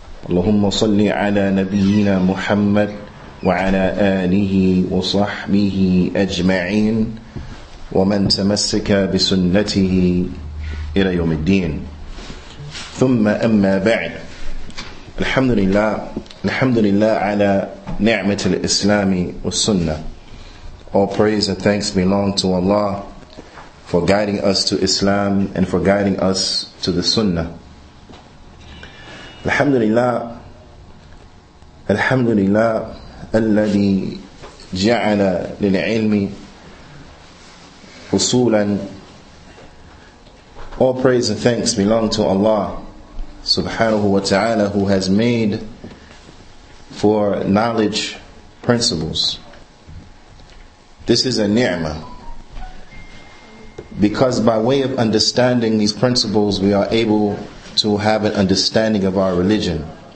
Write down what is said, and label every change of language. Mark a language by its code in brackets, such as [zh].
[ar] اللهم صل على نبينا محمد وعلى آله وصحبه أجمعين ومن تمسك بسنته إلى يوم الدين ثم أما بعد الحمد لله على نعمة الإسلام والسنة. [en] All praise and thanks belong to Allah for guiding us to Islam and for guiding us to the Sunnah. [ar] Alhamdulillah, الذي جعل للعلم وصولا. [en] All praise and thanks belong to Allah subhanahu wa ta'ala, who has made for knowledge principles. This is a ni'mah, because by way of understanding these principles, we are able to have an understanding of our religion.